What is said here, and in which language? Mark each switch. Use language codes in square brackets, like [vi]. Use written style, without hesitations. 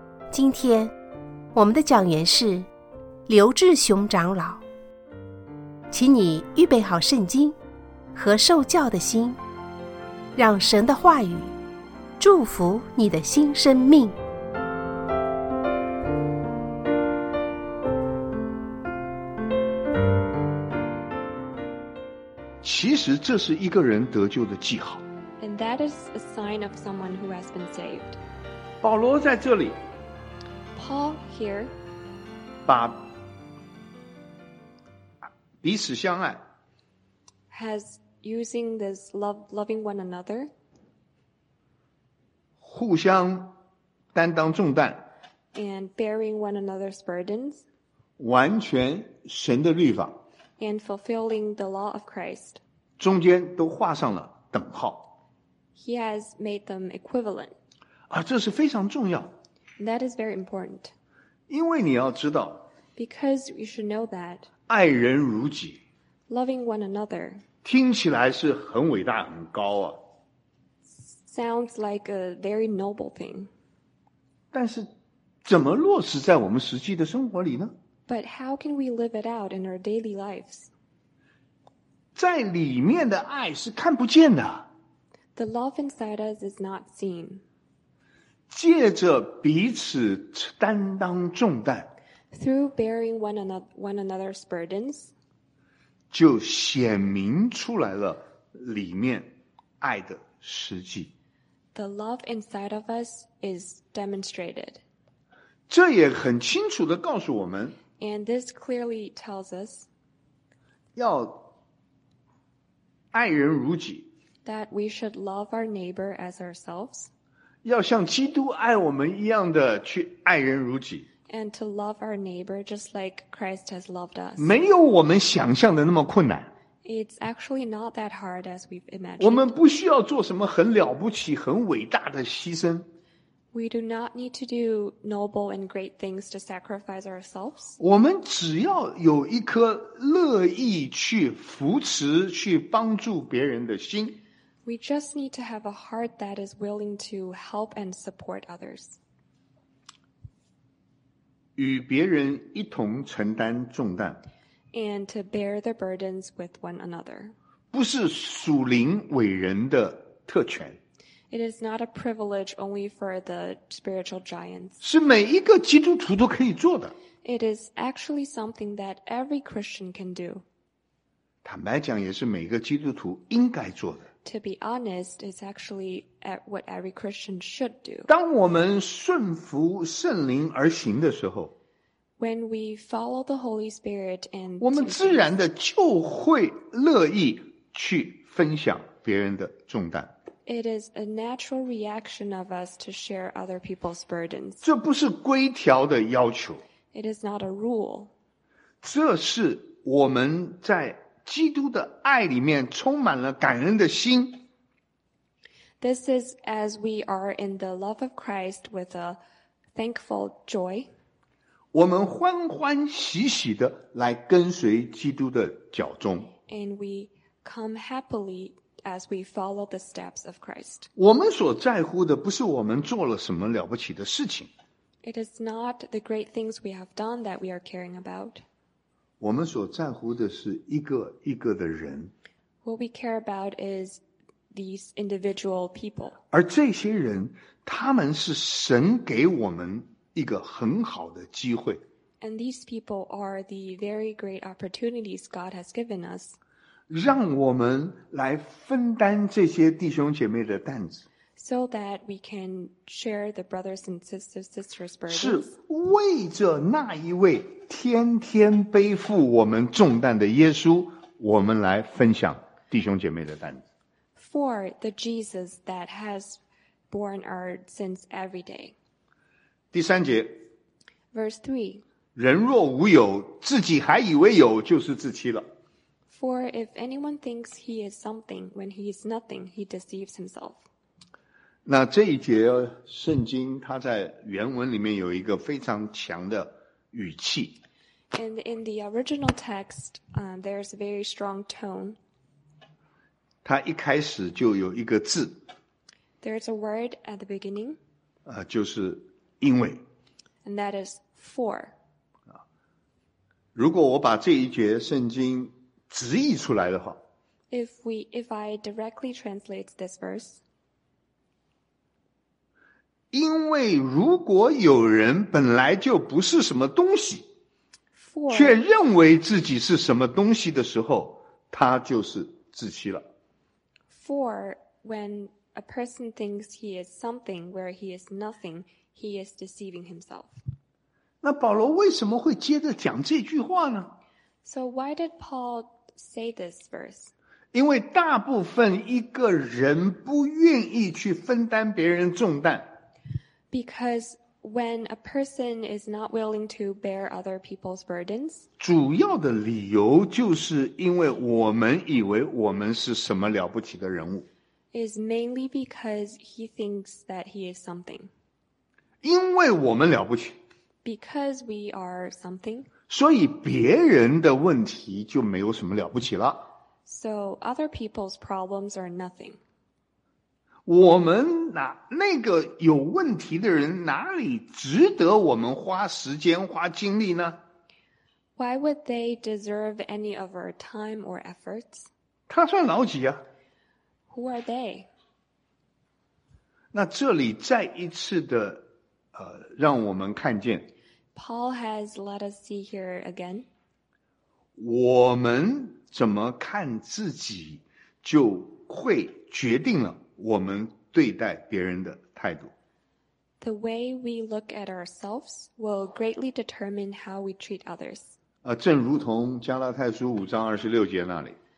[zh] 今天我们的讲员是刘志雄长老，请你预备好圣经和受教的心，让神的话语祝福你的新生命。其实这是一个人得救的记号。 [en] And that is a sign of someone who has been saved. [zh] 保罗在这里。 [en] Paul here. [zh] 把彼此相爱。 [en] Has using this love, loving one another. [zh] 互相担当重担。 [en] And bearing one another's burdens. [zh] 完全神的律法。 [en] And fulfilling the law of Christ. [zh] 中间都画上了等号。 [en] He has made them equivalent. [zh] 啊，这是非常重要。 [en] That is very important. [zh] 因为你要知道。 [en] Because you should know that. [zh] 爱人如己。 [en] Loving one another. [zh] 听起来是很伟大，很高啊。 [en] Sounds like a very noble thing. [zh] 但是，怎么落实在我们实际的生活里呢？ [en] But how can we live it out in our daily lives? [zh] 在里面的爱是看不见的。 [en] The love inside us is not seen. [zh] 借着彼此担当重担。 [en] Through bearing one another's burdens. [zh] 就显明出来了里面爱的实际。 [en] The love inside of us is demonstrated. [zh] 这也很清楚地告诉我们。 [en] And this clearly tells us. [zh] 要爱人如己。 [en] That we should love our neighbor as ourselves. [zh] 要像基督爱我们一样的去爱人如己。 [en] And to love our neighbor just like Christ has loved us. [zh] 没有我们想象的那么困难。 [en] It's actually not that hard as we've imagined. [zh] 我们不需要做什么很了不起、很伟大的牺牲。 [en] We do not need to do noble and great things to sacrifice ourselves. [zh] 我们只要有一颗乐意去扶持、去帮助别人的心。 [en] We just need to have a heart that is willing to help and support others. [zh] 与别人一同承担重担。 [en] And to bear the burdens with one another. [zh] 不是属灵伟人的特权。 [en] It is not a privilege only for the spiritual giants. [zh] 是每一个基督徒都可以做的。 [en] It is actually something that every Christian can do. [zh] 坦白讲，也是每一个基督徒应该做的。 [en] To be honest, it's actually what every Christian should do. [zh] 当我们顺服圣灵而行的时候， [en] When we follow the Holy Spirit and [zh] 我们自然的就会乐意去分享别人的重担。 [en] It is a natural reaction of us to share other people's burdens. [zh] 这不是规条的要求。 [en] It is not a rule. [zh] 这是我们在基督的爱里面充满了感恩的心。 [en] This is as we are in the love of Christ with a thankful joy. [zh] 我们欢欢喜喜地来跟随基督的脚踪。 [en] And we come happilyAs we follow the steps of Christ. [zh] 我们所在乎的不是我们做了什么了不起的事情。 [en] It is not the great things we have done that we are caring about. [zh] 我们所在乎的是一个一个的人。 [en] What we care about is these individual people. [zh] 而这些人，他们是神给我们一个很好的机会。 [en] And these people are the very great opportunities God has given us. [zh] 让我们来分担这些弟兄姐妹的担子。 [en] So that we can share the brothers and sisters' burdens. [zh] 是为着那一位天天背负我们重担的耶稣，我们来分享弟兄姐妹的担子。 [en] For the Jesus that has borne our sins every day. [zh] 第三节。 [en] Verse 3. [zh] 人若无有，自己还以为有，就是自欺了。 [en] For if anyone thinks he is something, when he is nothing, he deceives himself. [zh] 那这一节圣经它在原文里面有一个非常强的语气。 [en] And in the original text, there's a very strong tone. [zh] 它一开始就有一个字。 [en] There's a word at the beginning. [zh] 就是因为。 [en] And that is for. [zh] 如果我把这一节圣经直译出来的话。 [en] If I directly translate this verse. [zh] 因为如果有人本来就不是什么东西。 [en] For, [zh] 却认为自己是什么东西的时候，他就是自欺了。 [en] For when a person thinks he is something where he is nothing, he is deceiving himself. [zh] 那保罗为什么会接着讲这句话呢？ [en] So why did Paul say this verse? [zh] 因为大部分一个人不愿意去分担别人重担。 [en] Because when a person is not willing to bear other people's burdens, [zh] 主要的理由就是因为我们以为我们是什么了不起的人物。 [en] Is mainly because he thinks that he is something. [zh] 因为我们了不起。 [en] Because we are something. [zh] 所以别人的问题就没有什么了不起了。 [en] So other people's problems are nothing. [zh] 我们哪那个有问题的人哪里值得我们花时间花精力呢？ [en] Why would they deserve any of our time or efforts? [zh] 他算老几啊？ [en] Who are they? [zh] 那这里再一次的让我们看见。 [en] Paul has let us see here again. [zh] 我们怎么看自己就会决定了。我们对待别人的态度。 [en] The way we look at ourselves will greatly determine how we treat others. [zh] 正如同加拉太书五章二十六节那里。